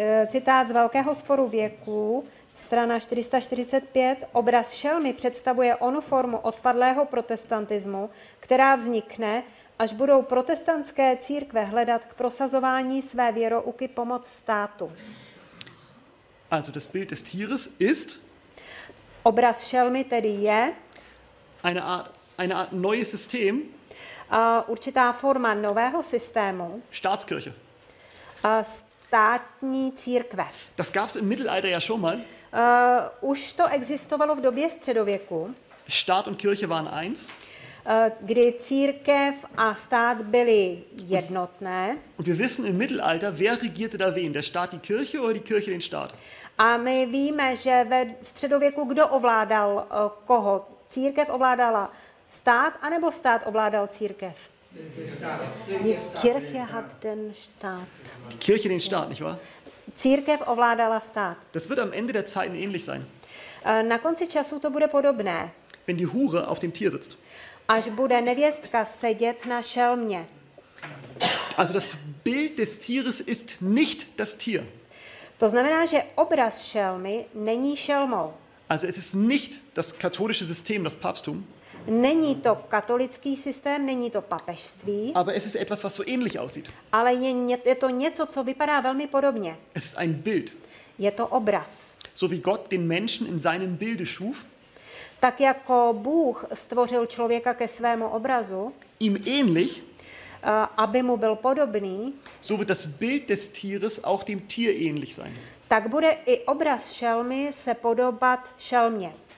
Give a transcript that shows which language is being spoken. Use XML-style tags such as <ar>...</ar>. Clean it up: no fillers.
<cs>Citát z Velkého sporu věků. Strana 445. Obraz šelmy představuje onu formu odpadlého protestantismu, která vznikne, až budou protestantské církve hledat k prosazování své věrouky pomoc státu.</cs> <de>Also das Bild des Tieres ist.</de> <cs>Obraz šelmy tedy je.</cs> <de>Eine Art neues System.</de> <cs>Určitá forma nového systému.</cs> <de>Staatskirche.</de> <cs>Státní církve.</cs> <de>Das gab's im Mittelalter ja schon mal.</de> <cs>Už to existovalo v době středověku.</cs> <de>Staat und Kirche waren eins.</de> <cs>Kdy církev a stát byly jednotné.</cs> <de>Und wir wissen im Mittelalter, wer regierte da wen? Der Staat die Kirche oder die Kirche den Staat?</de> <cs>A my víme, že ve středověku kdo ovládal koho? Církev ovládala stát anebo stát ovládal církev?</cs> <de>Die Kirche hat den Staat. Die Kirche den Staat, nicht wahr?</de> <cs>Církev ovládala stát.</cs> <de>Das wird am Ende der Zeiten ähnlich sein.</de> <cs>Na konci času to bude podobné.</cs> <de>Wenn die Hure auf dem Tier sitzt.</de> <cs>Až bude nevěstka sedět na šelmě.</cs> <de>Also das Bild des Tieres ist nicht das Tier.</de> <cs>To znamená, že obraz šelmy není šelmou.</cs> <de>Also es ist nicht das katholische System, das Papsttum.</de> <cs>Není to katolický systém, není to papežství.</cs> <de>Aber es ist etwas, was so ähnlich aussieht.</de> <cs>Ale je to něco, co vypadá velmi podobně.</cs> <de>Es ist ein Bild.</de> <cs>Je to obraz.</cs> <de>So wie Gott den Menschen in seinem Bilde schuf.</de> <cs>Tak jako Bůh stvořil člověka ke svému obrazu.</cs> <de>Ihm ähnlich.</de> <cs>Aby mu byl podobný.</cs> <de>So wird das Bild des Tieres auch dem Tier ähnlich sein.</de> <cs>Tak bude i obraz šelmy se podobat šelmě.</cs>